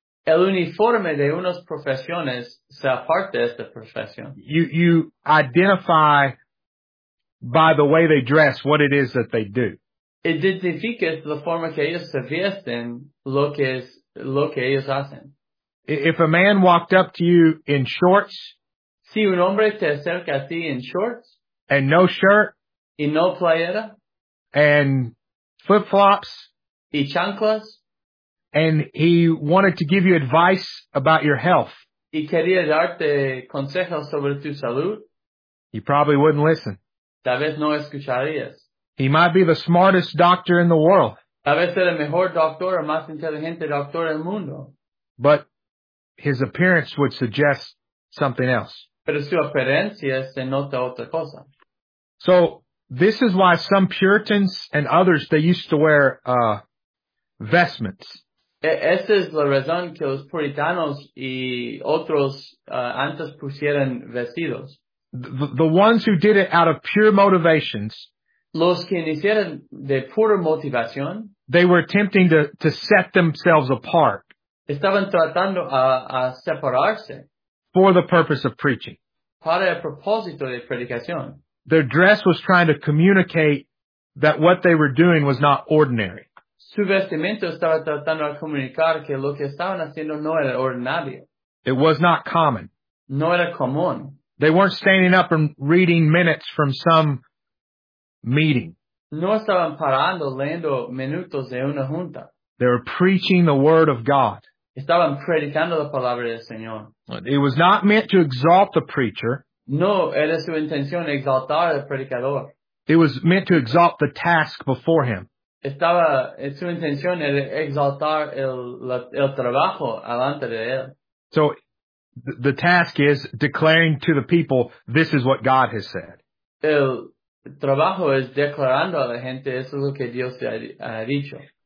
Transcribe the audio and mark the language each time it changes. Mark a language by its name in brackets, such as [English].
[Spanish] El uniforme de unas profesiones se aparta de esta profesión. [English] You identify by the way they dress what it is that they do. [Spanish] Identificas la forma que ellos se visten lo que ellos hacen. [English] If a man walked up to you in shorts, [Spanish] si un hombre te acerca a ti en shorts [English] and no shirt [Spanish] y no playera [English] and flip-flops [Spanish] y chanclas, [English] and he wanted to give you advice about your health, [Spanish] y quería darte consejos sobre tu salud, [English] he probably wouldn't listen. [Spanish] Tal vez no escucharías. [English] He might be the smartest doctor in the world. [Spanish] Tal vez era el mejor doctor o más inteligente doctor del mundo. [English] But his appearance would suggest something else. [Spanish] Pero su apariencia se nota otra cosa. [English] So this is why some Puritans and others, they used to wear vestments. [Spanish] Esta es la razón que los puritanos y otros antes pusieran vestidos. [English] The ones who did it out of pure motivations, [Spanish] los que hicieron de pura motivación, [English] they were attempting to set themselves apart. [Spanish] Estaban tratando a separarse [English] for the purpose of preaching. [Spanish] Para el propósito de predicación. [English] Their dress was trying to communicate that what they were doing was not ordinary. [Spanish] Su vestimenta estaba tratando de comunicar que lo que estaban haciendo no era ordinario. [English] It was not common. [Spanish] No era común. [English] They weren't standing up and reading minutes from some meeting. [Spanish] No estaban parando leyendo minutos de una junta. [English] They were preaching the word of God. [Spanish] Estaban predicando la palabra del Señor. [English] It was not meant to exalt the preacher. [Spanish] No, era su intención exaltar al predicador. [English] It was meant to exalt the task before him. [Spanish] Estaba en su intención era exaltar el trabajo delante de él. [English] So the task is declaring to the people, this is what God has said. [Spanish] El trabajo es declarando a la gente, eso es lo que Dios te ha dicho.